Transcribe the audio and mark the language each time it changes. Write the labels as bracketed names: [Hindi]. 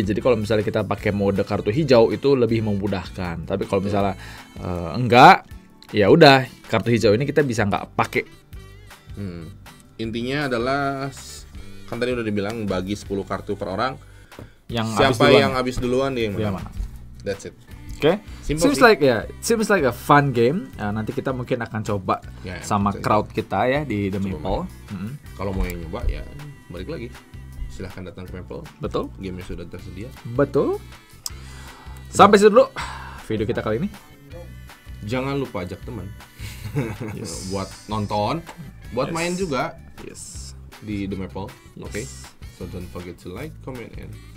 [Indonesian] Jadi kalau misalnya kita pakai mode kartu hijau itu lebih memudahkan. Tapi kalau misalnya enggak, ya udah kartu hijau ini kita bisa nggak pakai. Intinya adalah kan tadi udah dibilang bagi 10 kartu per orang. Yang siapa yang habis duluan dia yang menang. Ya, [English] that's it. Oke. Okay. Seems like ya, seems like a fun game. [Indonesian] Nah, nanti kita mungkin akan coba sama crowd kita ya di The Meeple. Kalau mau yang nyoba ya balik lagi. Silahkan datang ke Meeple. Betul. Game yang sudah tersedia. Betul. Sampai situ dulu video kita kali ini. Jangan lupa ajak teman. Yes. Buat nonton, buat main juga. Yes. Di The Meeple. Yes. Oke. [English] Okay. So don't forget to like, comment and